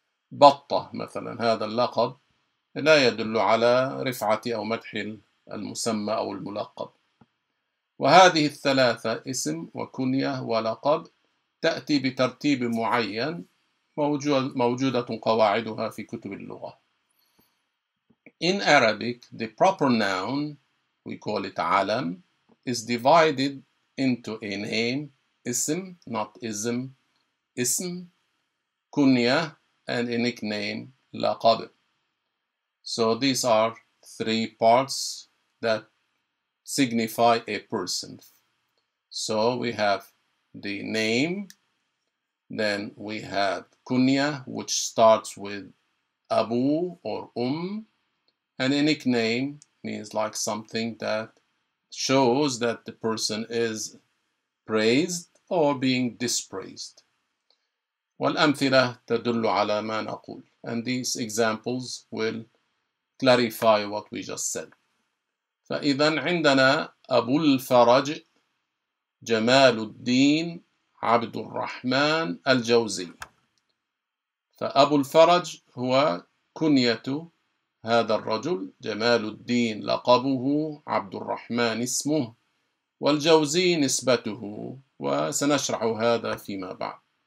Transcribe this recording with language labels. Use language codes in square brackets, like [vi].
[ar] بطة مثلا، هذا اللقب لا يدل على رفعة أو مدح المسمى أو الملقب. وهذه الثلاثة، اسم وكنية ولقب، تأتي بترتيب معين، موجودة قواعدها في كتب اللغة. [en] In Arabic, the proper noun, we call it علم, is divided into a name, اسم, not ism, اسم، كنية, and a nickname, لقب. So these are three parts that signify a person. So we have the name, then we have kunya, which starts with abu or and a nickname means like something that shows that the person is praised or being dispraised. [ar] والأمثلة تدل على ما نقول. [en] And these examples will clarify what we just said. [ar] فإذا عندنا أبو الفرج، جمال الدين، عبد الرحمن الجوزي. فأبو الفرج هو كنية هذا الرجل، جمال الدين لقبه، عبد الرحمن اسمه، والجوزي نسبته، وسنشرح هذا فيما بعد.